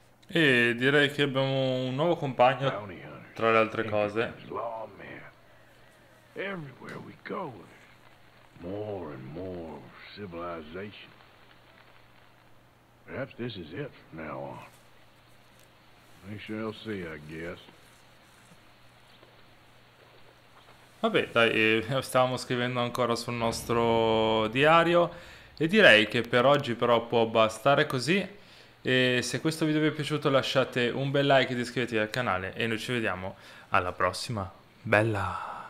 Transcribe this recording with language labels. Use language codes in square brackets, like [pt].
[it] E direi che abbiamo un nuovo compagno, tra le altre cose. [en] Everywhere we go. More and more civilization. Perhaps this is it from now on. We shall see, I guess. [it] Vabbè, dai, stavamo scrivendo ancora sul nostro diario e direi che per oggi però può bastare così. E se questo video vi è piaciuto lasciate un bel like ed iscrivetevi al canale e noi ci vediamo alla prossima. Bella!